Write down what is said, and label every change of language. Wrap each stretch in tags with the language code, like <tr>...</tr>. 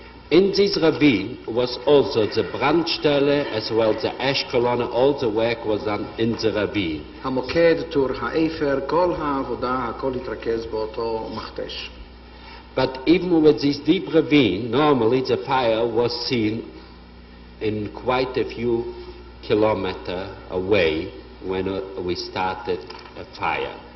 <en>In this ravine was also the brandstelle, as well as the ash colonne, all the work was done in the ravine.</en> <he>המוקד, טור האפר, כל העבודה, הכל התרכז באותו מכתש.</he> <en>But even with this deep ravine, normally the fire was seen in quite a few kilometers away when we started a fire.</en>